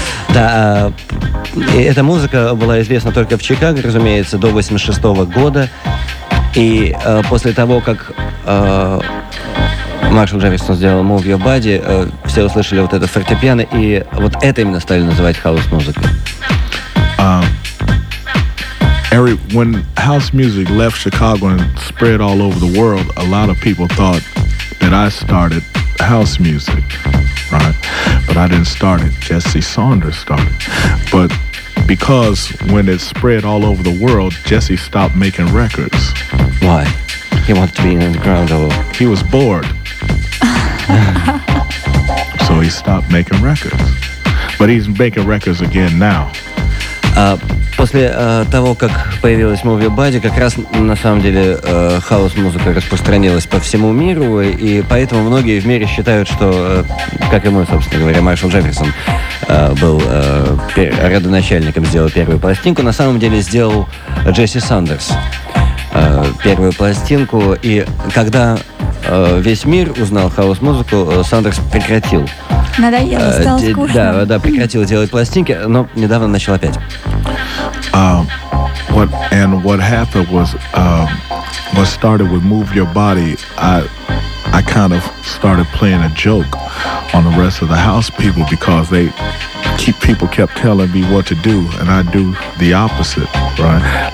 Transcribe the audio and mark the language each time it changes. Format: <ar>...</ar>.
<ru>Да, эта музыка была известна только в Чикаго, разумеется, до 86 года. И после того, как... Маршал Джефферсон сделал Move Your Body, все услышали вот это фортепиано, и вот это именно стали называть хаус-музыкой.</ru> <en>When house music left Chicago and spread all over the world, a lot of people thought that I started house music, right? But I didn't start it, Jesse Saunders started. But because when it spread all over the world, Jesse stopped making records. Why? He wanted to be in the ground level. He was bored. So he stopped making records. But he's making records again now.</en> <ru>После того, как появилась Move Your Body, как раз на самом деле хаус-музыка распространилась по всему миру, и поэтому многие в мире считают, что, как и мы, собственно говоря, Маршал Джефферсон был родоначальником, сделал первую пластинку. На самом деле сделал Джесси Сандерс первую пластинку, и когда... весь мир узнал хаос-музыку, Сандерс прекратил. Надоело, стал скучно. Да, прекратил делать пластинки, но недавно начал опять.</ru> <en>What happened was, what started with Move Your Body, I kind of started playing a joke on the rest of the house people because people kept telling me what to do, and I do the opposite, right?</en>